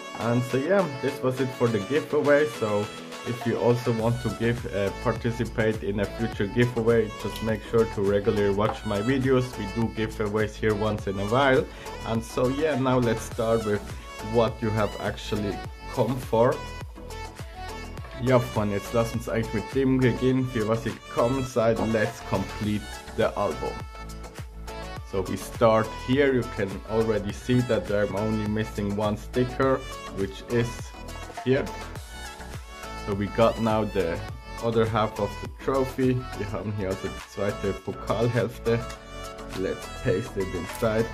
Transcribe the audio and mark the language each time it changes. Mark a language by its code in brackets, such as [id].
[en] And so yeah, this was it for the giveaway. So if you also want to give participate in a future giveaway, just make sure to regularly watch my videos. We do giveaways here once in a while. And so yeah, now let's start with what you have actually come for. [de] Ja, Freunde, jetzt lasst uns eigentlich mit dem beginnen, für was ihr gekommen seid. [en] Let's complete the album. So we start here. You can already see that I'm only missing one sticker, which is here. So we got now the other half of the trophy. [de] We haben hier also die zweite Pokalhälfte. [en] Let's paste it inside.